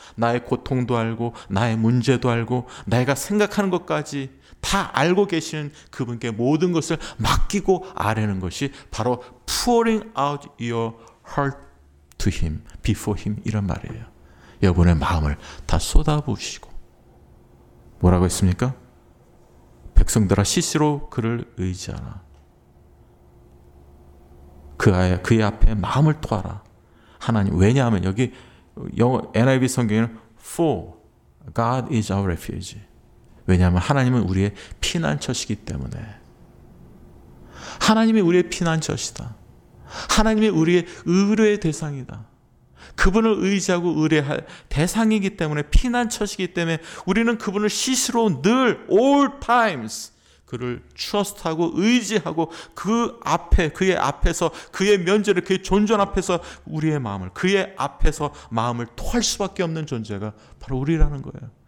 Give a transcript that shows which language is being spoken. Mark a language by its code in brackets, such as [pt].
[ko] 나의 고통도 알고 나의 문제도 알고 내가 생각하는 것까지 다 알고 계시는 그분께 모든 것을 맡기고 아뢰는 것이 바로 [en] pouring out your heart to him, before him [ko] 이런 말이에요. 여러분의 마음을 다 쏟아부으시고 뭐라고 했습니까? 백성들아 시시로 그를 의지하라. 그의 앞에 마음을 토하라. 하나님 왜냐하면 여기 영어 NIV 성경에는 [en] For God is our refuge. [ko] 왜냐하면 하나님은 우리의 피난처시기 때문에 하나님이 우리의 피난처시다. 하나님이 우리의 의뢰의 대상이다. 그분을 의지하고 의뢰할 대상이기 때문에 피난처시기 때문에 우리는 그분을 시시로 늘 [en] All times [ko] 그를 트러스트하고 의지하고 그 앞에 그의 앞에서 그의 면죄로 그의 존전 앞에서 우리의 마음을 그의 앞에서 마음을 토할 수밖에 없는 존재가 바로 우리라는 거예요.